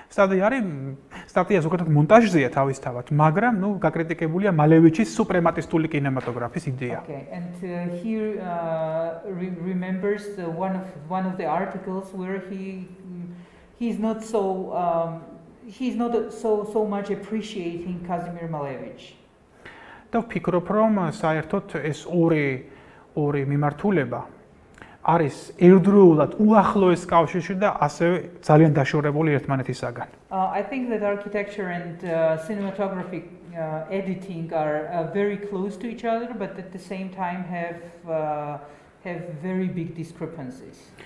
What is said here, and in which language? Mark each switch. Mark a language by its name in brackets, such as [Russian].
[Georgian] სტატია ზოგადად მონტაჟზეა თავისთავად, მაგრამ ნუ გაკრიტიკებულია მალევიჩის სუპრემატისტული კინემატოგრაფის იდეა. [English] Okay, and here remembers one of the articles where he's not so much appreciating Kazimir Malevich. [Georgian] და ვფიქრობ, რომ საერთოდ ეს ორი მიმართულება არის ერთდროულად უახლოეს კავშირში და ასევე ძალიან დაშორებული ერთმანეთისაგან. [English] I think that architecture and cinematography editing are very close to each other but at the same time have very big discrepancies.